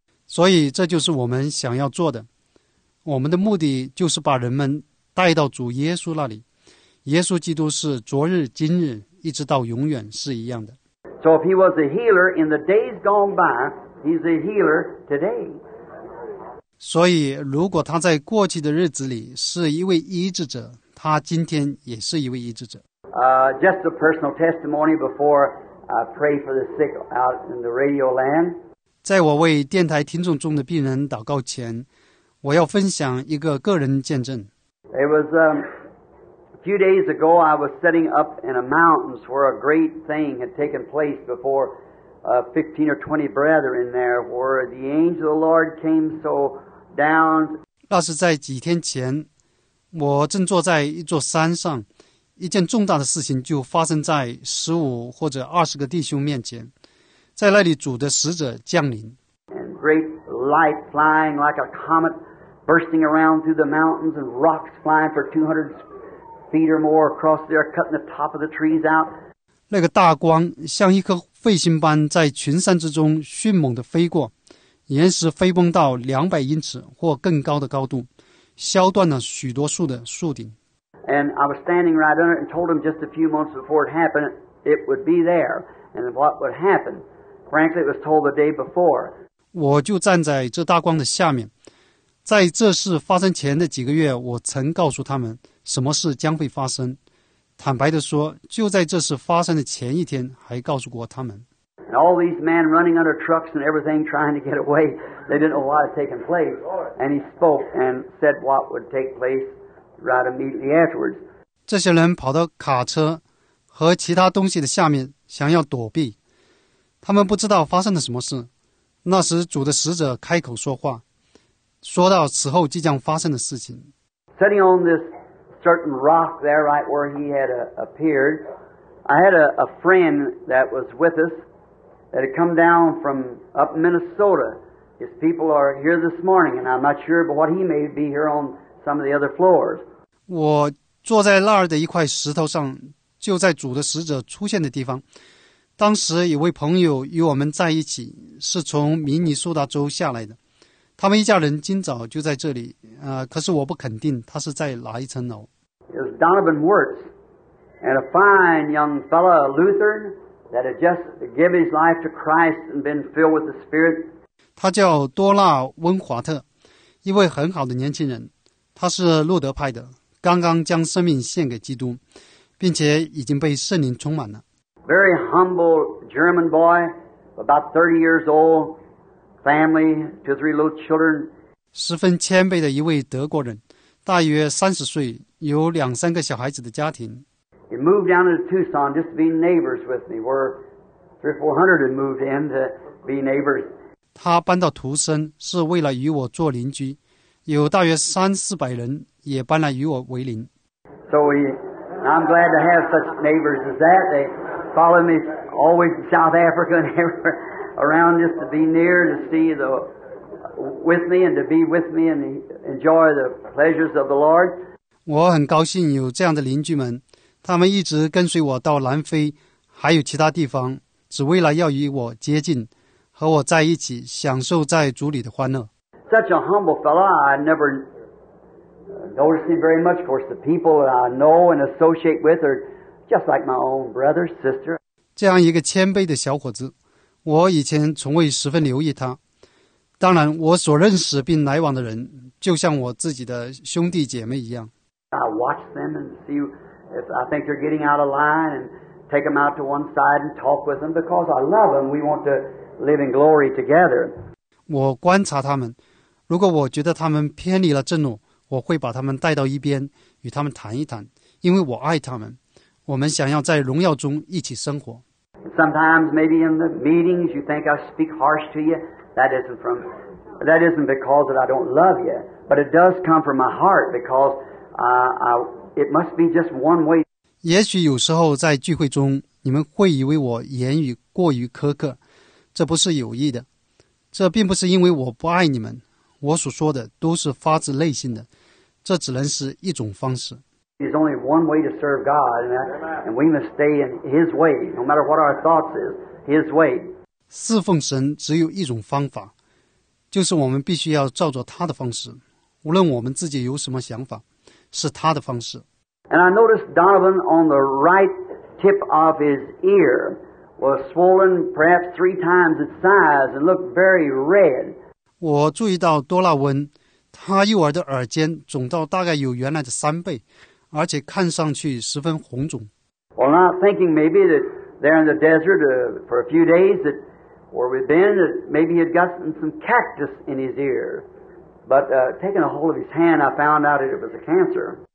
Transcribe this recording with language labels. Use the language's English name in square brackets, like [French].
[Chinese] 所以这就是我们想要做的。我们的目的就是把人们带到主耶稣那里。耶稣基督是昨日、今日、一直到永远是一样的。 [English] So if he was a healer in the days gone by, he's a healer today. [Chinese] 所以如果他在过去的日子里是一位医治者，他今天也是一位医治者。 [English] Just a personal testimony before I pray for the sick out in the radio land. [Chinese] 在我为电台听众中的病人祷告前，我要分享一个个人见证。 [English] It was A few days ago, I was setting up in a mountains where a great thing had taken place before 15 or 20 brethren there, where the angel of the Lord came so down. [Chinese] 那是在几天前，我正坐在一座山上，一件重大的事情就发生在15或者20个弟兄面前，在那里主的使者降临。 [English] And great light flying like a comet bursting around through the mountains and rocks flying for 200 square. feet or more across there, cutting the top of the trees out. [Chinese] 那个大光像一颗彗星般在群山之中迅猛地飞过，岩石飞崩到200英尺或更高的高度，削断了许多树的树顶。 [English] And I was standing right under it and told him just a few months before it happened, it would be there. And what would happen? Frankly, it was told the day before. [Chinese] 我就站在这大光的下面，在这事发生前的几个月，我曾告诉他们什么事将会发生。坦白地说，就在这事发生的前一天，还告诉过他们。 [English] And all these men running under trucks and everything trying to get away, they didn't know what had taken place. And he spoke and said what would take place right immediately afterwards. [Chinese] 这些人跑到卡车和其他东西的下面，想要躲避。他们不知道发生了什么事。那时主的使者开口说话，说到此后即将发生的事情。 [English] Sitting on this certain rock there, right where he had appeared, I had a friend that was with us that had come down from up Minnesota. His people are here this morning, and I'm not sure, but what he may be here on some of the other floors. [Chinese] 我坐在那儿的一块石头上，就在主的使者出现的地方。当时有位朋友与我们在一起，是从明尼苏达州下来的。他们一家人今早就在这里，可是我不肯定他是在哪一层楼。 [English] It was Donovan Wirtz, and a fine young fellow, a Lutheran, that had just given his life to Christ and been filled with the Spirit. [Chinese] 他叫多纳温华特，一位很好的年轻人，他是路德派的，刚刚将生命献给基督，并且已经被圣灵充满了。 [English] Very humble German boy, about 30 years old. Family, two, three little children. [Chinese] 十分谦卑的一位德国人，大约30岁，有两三个小孩子的家庭。 [English] He moved down to Tucson just to be neighbors with me. We're 300 or 400 had moved in to be neighbors. [Chinese] 他搬到图森是为了与我做邻居，有大约300-400人也搬来与我为邻。 [English] So I'm glad to have such neighbors as that. They follow me always to South Africa and everywhere. Around just to be near, to see the, with me and to be with me and enjoy the pleasures of the Lord. [Chinese] 我很高兴有这样的邻居们，他们一直跟随我到南非，还有其他地方，只为了要与我接近，和我在一起，享受在主里的欢乐。 [English] Such a humble fellow, I never noticed him very much. Of course, the people that I know and associate with are just like my own brother, sister. [Chinese] 这样一个谦卑的小伙子。我以前从未十分留意他，当然我所认识并来往的人就像我自己的兄弟姐妹一样。 [English] I watch them and see if I think they're getting out of line and take them out to one side and talk with them because I love them. We want to live in glory together. [Chinese] 我观察他们，如果我觉得他们偏离了正路，我会把他们带到一边与他们谈一谈，因为我爱他们，我们想要在荣耀中一起生活。 [English] Sometimes maybe in the meetings you think I speak harsh to you. That isn't because that I don't love you, but it does come from my heart because it must be just one way. [Chinese] 也许有时候在聚会中，你们会以为我言语过于苛刻，这不是有意的。这并不是因为我不爱你们，我所说的都是发自内心的，这只能是一种方式。 [English] There's only one way to serve God, and we must stay in His way, no matter what our thoughts is, His way. [Chinese] 侍奉神只有一种方法，就是我们必须要照着他的方式，无论我们自己有什么想法，是他的方式。 [English] And I noticed Donovan on the right tip of his ear was swollen perhaps 3 times its size and looked very red. [Chinese] 我注意到多纳文，他右耳的耳尖肿到大概有原来的3倍，而且看上去十分红肿。 [English] Well, not thinking maybe that there in the desert for a few days that where we've been, that maybe he had gotten some cactus in his ear. But taking a hold of his hand, I found out that it was a cancer.